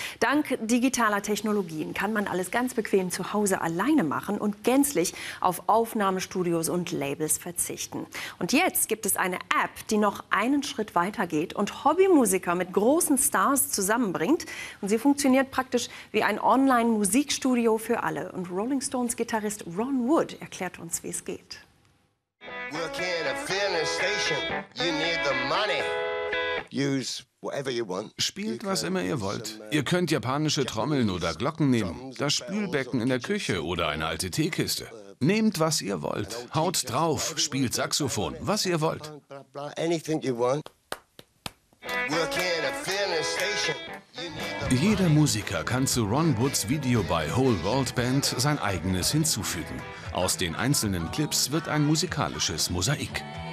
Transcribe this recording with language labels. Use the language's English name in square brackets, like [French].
[German] Dank digitaler Technologien kann man alles ganz bequem zu Hause alleine machen und gänzlich auf Aufnahmestudios und Labels verzichten. Und jetzt gibt es eine App, die noch einen Schritt weiter geht und Hobbymusiker mit großen Stars zusammenbringt. Und sie funktioniert praktisch wie ein Online-Musikstudio für alle. Und Rolling Stones-Gitarrist Ron Wood erklärt uns, wie es geht. [English] Work at a filling station. You need the money. Use whatever you want. [German] Spielt, was immer ihr wollt. Ihr könnt japanische Trommeln oder Glocken nehmen, das Spülbecken in der Küche oder eine alte Teekiste. Nehmt, was ihr wollt. Haut drauf, spielt Saxophon, was ihr wollt. [English] Anything you want. Work at a filling station. [German] Jeder Musiker kann zu Ron Woods Video bei Whole World Band sein eigenes hinzufügen. Aus den einzelnen Clips wird ein musikalisches Mosaik.